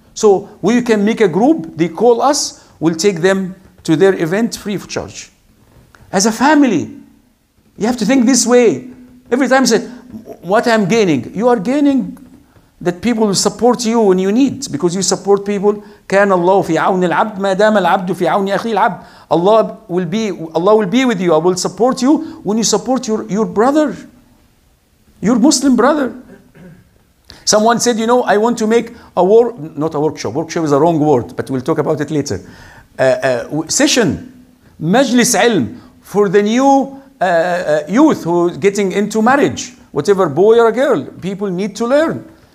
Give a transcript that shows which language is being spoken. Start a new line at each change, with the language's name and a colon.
English: So we can make a group. They call us. We'll take them to their event free of charge. As a family, you have to think this way. Every time I said, what I'm gaining? You are gaining that people will support you when you need, because you support people.
Arabic: كان الله في عون العبد ما دام العبد في عون أخي العبد.
English: Allah will be with you. I will support you when you support your brother, your Muslim brother. Someone said, you know, I want to make not a workshop. Workshop is a wrong word, but we'll talk about it later. Session, majlis ilm for the new youth who is getting into marriage, whatever boy or girl, people need to learn.